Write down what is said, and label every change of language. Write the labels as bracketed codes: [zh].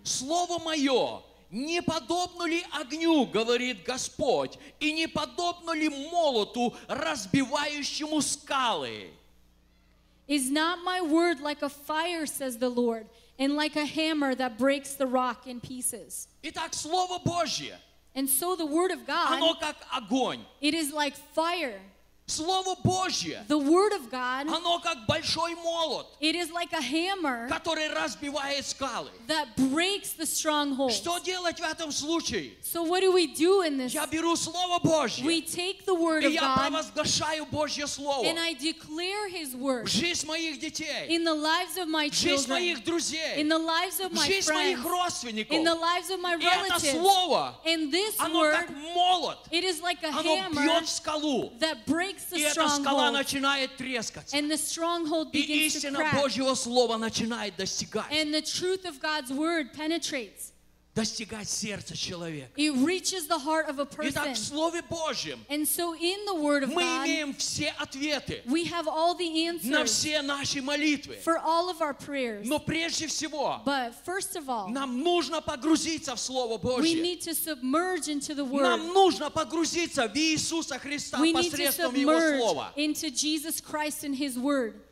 [ru] Слово мое, не подобно ли огню, говорит Господь, и не подобно ли молоту, разбивающему скалы? [en] Is not my word like a fire, says the Lord, and like a hammer that breaks the rock in pieces? [ru] Итак, Слово Божье, [en] and so the word of God, [ru] оно как огонь, [en] it is like fire. [ru] Слово Божье. [en] The word of God. [ru] Оно как большой молот. [en] It is like a hammer. [ru] Который разбивает скалы. [en] That breaks the strongholds. [ru] Что делать в этом случае? [en] So what do we do in this? [ru] Я беру слово Божье. [en] We take the word of God. [ru] И я провозглашаю Божье слово. [en] And I declare His word. [ru] В жизнь моих детей. [en] In the lives of my children. [ru] В жизнь моих друзей. [en] In the lives of my friends. [ru] В жизнь моих родственников. [en] In the lives of my relatives. [ru] И это слово. [en] And this [ru] оно [en] word. [ru] Оно как молот. [en] It is like a [ru] оно [en] hammer. [ru] Оно бьет скалу. [en] That breaks [ru] и эта скала начинает трескаться. [en] And the stronghold begins to crack. [ru] И истина Божьего слова начинает достигать. [en] And the truth of God's word penetrates. [ru] Достигать сердца человека. [en] It reaches the heart of a person. [ru] Итак, в слове Божьем. [en] And so in the word of God. [ru] Мы имеем все ответы. [en] We have all the answers. [ru] На все наши молитвы. [en] For all of our prayers. [ru] Но прежде всего. [en] But first of all. [ru] Нам нужно погрузиться в слово Божье. [en] We need to submerge into the word. [ru] Нам нужно погрузиться в Иисуса Христа посредством Его слова. [en] Into Jesus Christ and His word.